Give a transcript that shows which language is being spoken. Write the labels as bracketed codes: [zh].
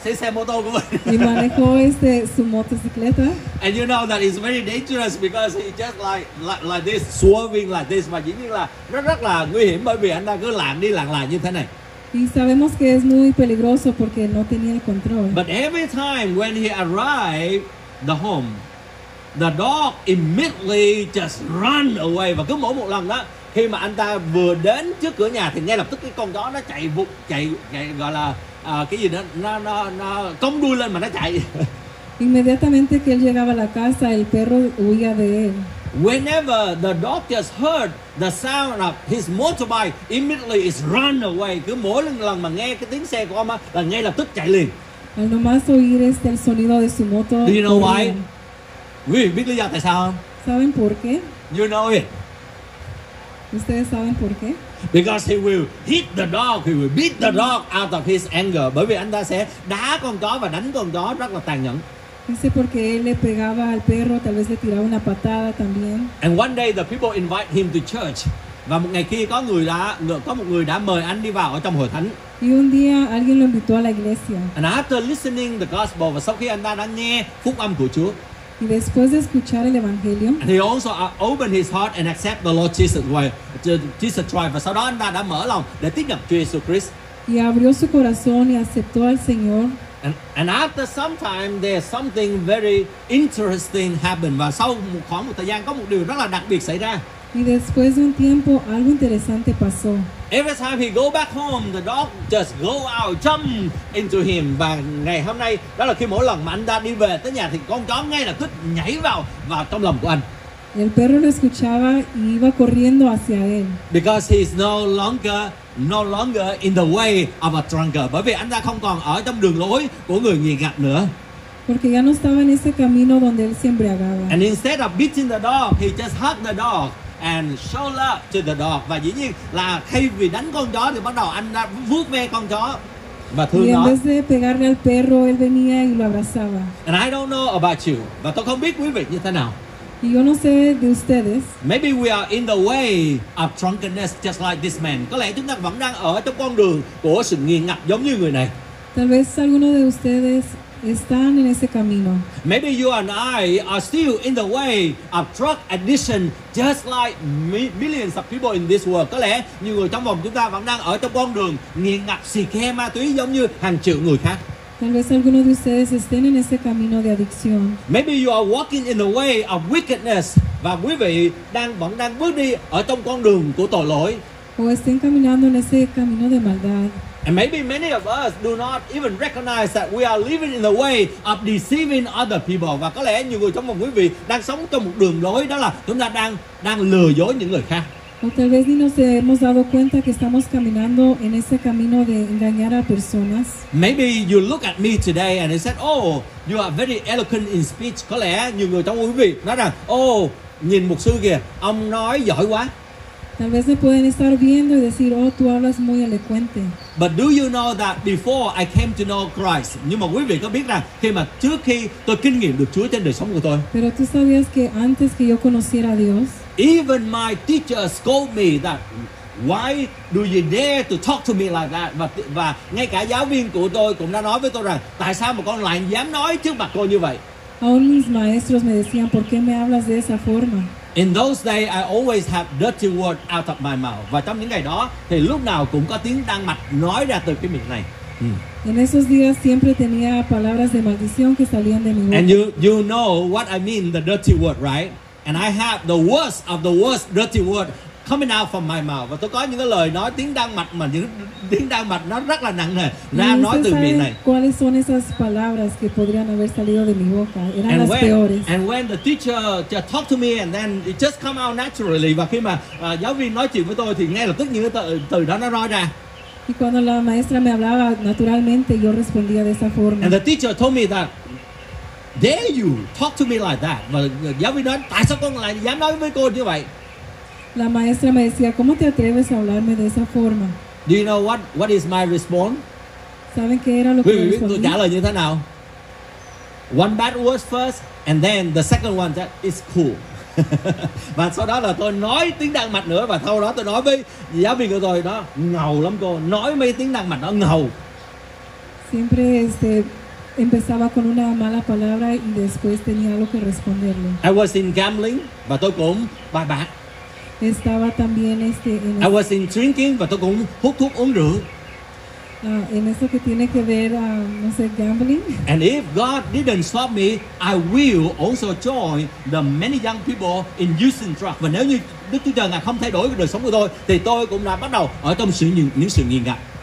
[vi] mô tô của mình. [es] Y manejó su motocicleta. [en] And you know that it's very dangerous because he just like this, swerving like this. [vi] Và dĩ nhiên là rất là nguy hiểm bởi vì anh ta cứ lạng đi lạng lạng như thế này. [es] Y sabemos que es muy peligroso porque no tenía el control. [en] But every time when he arrived the home, the dog immediately just run away. [vi] Và cứ mỗi một lần đó, khi mà anh ta vừa đến trước cửa nhà thì ngay lập tức cái con chó nó chạy vụt, chạy gọi là cái gì đó, nó cong đuôi lên mà nó chạy. [es] Inmediatamente que él llegaba a la casa, el perro huía de él. [en] Whenever the dog just heard the sound of his motorbike, immediately it's run away. [vi] Cứ mỗi lần mà nghe cái tiếng xe của ông là ngay lập tức chạy liền. [es] Al nomás oír el sonido de su moto. [en] Do you know why? [vi] Quý vị biết lý do tại sao không? [es] ¿Saben por qué? [en] You know it. [es] Ustedes saben por qué? [en] Because he will hit the dog, he will beat the dog out of his anger. [vi] Bởi vì anh ta sẽ đá con chó và đánh con chó rất là tàn nhẫn. [es] Dice porque él le pegaba al perro, tal vez le tiraba una patada también. [en] And one day the people invite him to church. [vi] Và một ngày kia có một người đã mời anh đi vào ở trong hội thánh. [es] Y un día alguien lo invitó a la iglesia. [en] And after listening the gospel, [vi] và sau khi anh ta đã nghe phúc âm của Chúa. [es] Y después de escuchar el evangelio. [en] And he also opened his heart and accept the Lord Jesus Christ. [vi] Và sau đó anh ta đã mở lòng để tiếp nhận Chúa Jesus Christ. [es] Y abrió su corazón y aceptó al Señor. [en] And after some time, there's something very interesting happened. [vi] Và sau khoảng một thời gian, có một điều rất là đặc biệt xảy ra. [es] Y después de un tiempo, algo interesante pasó. [en] Every time he go back home, the dog just go out, jump into him. [vi] Và ngày hôm nay, đó là khi mỗi lần mà anh ta đi về tới nhà, thì con chó ngay là thích nhảy vào trong lòng của anh. [es] El perro lo escuchaba y iba corriendo hacia él. [en] Because he's no longer in the way of a drunkard. [vi] Bởi vì anh ta không còn ở trong đường lối của người nghiện ngập nữa. [es] Porque ya no estaba en ese camino donde él se embriagaba. [en] And instead of beating the dog, he just hugged the dog and showed love to the dog. [vi] Và dĩ nhiên là thay vì đánh con chó thì bắt đầu anh ta vuốt ve con chó. Và thương [es] y en vez de pegarle al perro, él venía y lo abrazaba. [en] And I don't know about you. [vi] Và tôi không biết quý vị như thế nào. [es] Y yo no sé de ustedes. [en] Maybe we are in the way of drunkenness just like this man. [vi] Có lẽ chúng ta vẫn đang ở trong con đường của sự nghiện ngập giống như người này. [es] Tal vez alguno de ustedes están en ese camino. [en] Maybe you and I are still in the way of drug addiction just like millions of people in this world. [vi] Có lẽ nhiều người trong vòng chúng ta vẫn đang ở trong con đường nghiện ngập xì ke ma túy giống như hàng triệu người khác. [es] Tal vez algunos de ustedes estén en ese camino de adicción. [en] Maybe you are walking in the way of wickedness. [vi] Và quý vị vẫn đang bước đi ở trong con đường của tội lỗi. [es] O estén caminando en ese camino de maldad. [en] And maybe many of us do not even recognize that we are living in the way of deceiving other people. [vi] Và có lẽ nhiều người trong một quý vị đang sống trong một đường lối đó là chúng ta đang lừa dối những người khác. [es] O tal vez ni nos hemos dado cuenta que estamos caminando en ese camino de engañar a personas. [en] Maybe you look at me today and you said, oh, you are very eloquent in speech. [vi] Có lẽ nhiều người trong quý vị nói rằng, oh, nhìn mục sư kìa, ông nói giỏi quá. [es] Tal vez me pueden estar viendo y decir, oh, tú hablas muy elocuente. [en] But do you know that before I came to know Christ, [vi] nhưng mà quý vị có biết rằng khi mà trước khi tôi kinh nghiệm được Chúa trên đời sống của tôi. [es] Pero tú sabías que antes que yo conociera a Dios. [en] Even my teacher scold me that why do you dare to talk to me like that? [vi] Và ngay cả giáo viên của tôi cũng đã nói với tôi rằng tại sao mà con lại dám nói trước mặt cô như vậy? [es] Aún mis maestros me decían, ¿por qué me hablas de esa forma? [en] In those days, I always have dirty words out of my mouth. [vi] Và trong những ngày đó, thì lúc nào cũng có tiếng đang mạch nói ra từ cái miệng này. [es] En esos días siempre tenía palabras de maldición que salían de mi boca. [en] And you know what I mean, the dirty word, right? And I have the worst of the worst dirty word coming out from my mouth. [vi] Và tôi có những cái lời nói tiếng đang mạch mà những tiếng đang mạch nó rất là nặng nề ra nói từ miệng này. [es] ¿Cuáles son esas palabras que podrían haber salido de mi boca? Eran and las when, peores. [en] And when the teacher just talk to me and then it just come out naturally. [vi] Và khi mà giáo viên nói chuyện với tôi thì ngay lập tức những cái từ đó nó nói ra. [es] Y cuando la maestra me hablaba naturalmente yo respondía de esa forma. [en] And the teacher told me that dare you talk to me like that. [vi] Và giáo viên nói tại sao con lại dám nói với cô như vậy? [es] La maestra me decía, ¿cómo te atreves a hablarme de esa forma? [en] Do you know what is my response? [es] ¿Saben qué era lo que respondí? [vi] Tôi trả lời như thế nào? [en] One bad word first, and then the second one that is cool. [vi] Và sau đó là tôi nói tiếng Đan Mạch nữa, và sau đó tôi nói với giáo viên của tôi đó, ngầu lắm cô, nói mấy tiếng Đan Mạch nó ngầu. [es] Siempre empezaba con una mala palabra y después tenía algo que responderle. [en] I was in gambling, [vi] và tôi cũng bài bạc. [es] Estaba también en [en] I was in drinking, [vi] và tôi cũng hút thuốc uống rượu. [es] En eso que tiene que ver, no sé, gambling. [en] And if God didn't stop me, I will also join the many young people in using drugs. [vi] Và nếu như Đức Chúa Trời Ngài không thay đổi đời sống của tôi, thì tôi cũng đã bắt đầu ở trong những sự nghiện ngập.